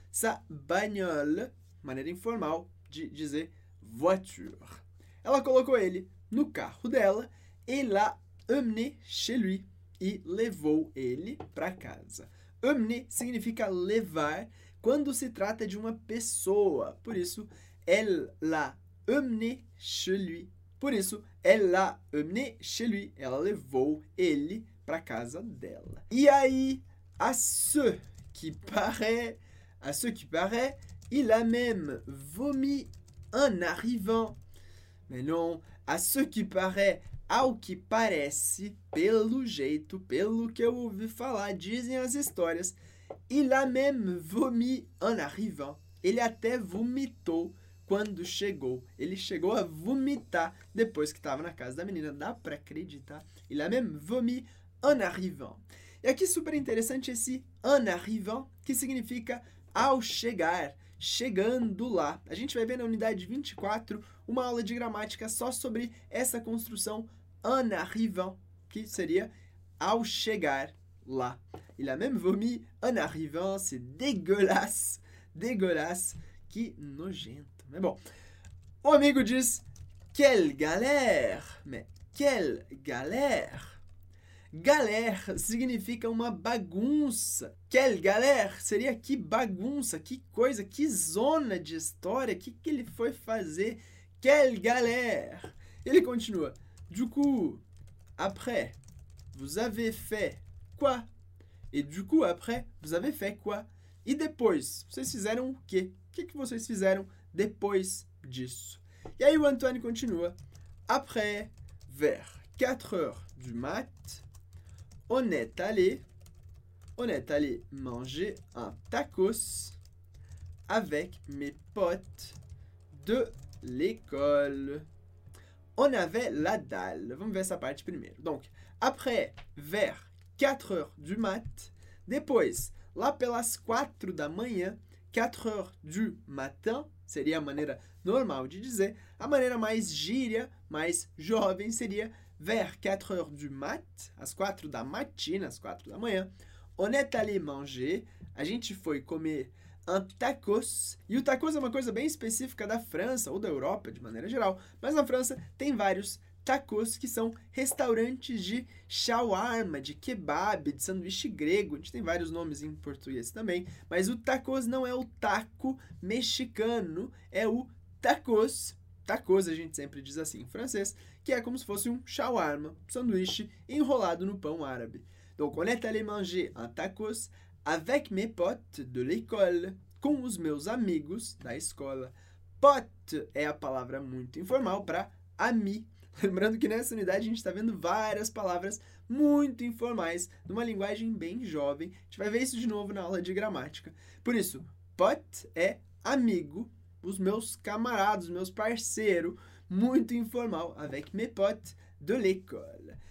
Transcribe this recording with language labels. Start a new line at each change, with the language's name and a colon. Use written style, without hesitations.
French: Sa bagnole,
Portuguese: maneira informal de dizer voiture. Ela colocou ele no carro dela e
French: l'a emmené chez lui
Portuguese: e levou ele para casa. Emmener significa levar quando se trata de uma pessoa. Por isso,
French: elle l'a emmené chez lui.
Portuguese: Por isso,
French: elle l'a emmené chez lui.
Portuguese: Ela levou ele para casa dela. E aí,
French: à ce qui paraît, il a même vomi en arrivant. Mais non, à ce qui paraît,
Portuguese: ao que parece, pelo jeito, pelo que eu ouvi falar, dizem as histórias,
French: il a même vomi en arrivant.
Portuguese: Ele até vomitou. Quando chegou, ele chegou a vomitar depois que estava na casa da menina. Dá para acreditar?
French: Il a même vomi en arrivant.
Portuguese: E aqui super interessante esse en arrivant, que significa Ao chegar, chegando lá. A gente vai ver na unidade 24 uma aula de gramática só sobre essa construção
French: en arrivant,
Portuguese: que seria ao chegar lá.
French: Il a même vomi en arrivant, c'est dégueulasse, dégueulasse,
Portuguese: que nojento. Mas bon, o amigo diz,
French: quelle galère, mais quelle galère.
Portuguese: Galère significa uma bagunça.
French: Quelle galère
Portuguese: seria que bagunça, que coisa, que zona de história, que ele foi fazer.
French: Quelle galère.
Portuguese: Ele continua,
French: du coup, après, vous avez fait quoi? Et du coup, après, vous avez fait quoi?
Portuguese: E depois, vocês fizeram o quê? O que vocês fizeram depois disso? E aí o Antoine continua.
French: Après, vers 4 heures du mat, on est allé manger un tacos avec mes potes de l'école. On avait la dalle.
Portuguese: Vamos ver essa parte primeiro.
French: Donc, après, vers 4 heures du mat,
Portuguese: depois, lá pelas 4 da manhã,
French: 4 heures du matin,
Portuguese: seria a maneira normal de dizer, a maneira mais gíria, mais jovem, seria
French: vers 4 heures du mat,
Portuguese: às 4 da matina, às 4 da manhã,
French: on est allé manger,
Portuguese: a gente foi comer un tacos, e o tacos é uma coisa bem específica da França, ou da Europa, de maneira geral, mas na França tem vários tacos, que são restaurantes de shawarma, de kebab, de sanduíche grego. A gente tem vários nomes em português também. Mas o tacos não é o taco mexicano, é o tacos. Tacos, a gente sempre diz assim em francês, que é como se fosse um shawarma, um sanduíche enrolado no pão árabe.
French: Donc, on est allé manger un tacos avec mes potes de l'école,
Portuguese: com os meus amigos da escola. Pote é a palavra muito informal para ami. Lembrando que nessa unidade a gente está vendo várias palavras muito informais, numa linguagem bem jovem. A gente vai ver isso de novo na aula de gramática. Por isso, pot é amigo, os meus camaradas, meus parceiros, muito informal,
French: avec mes potes de l'école.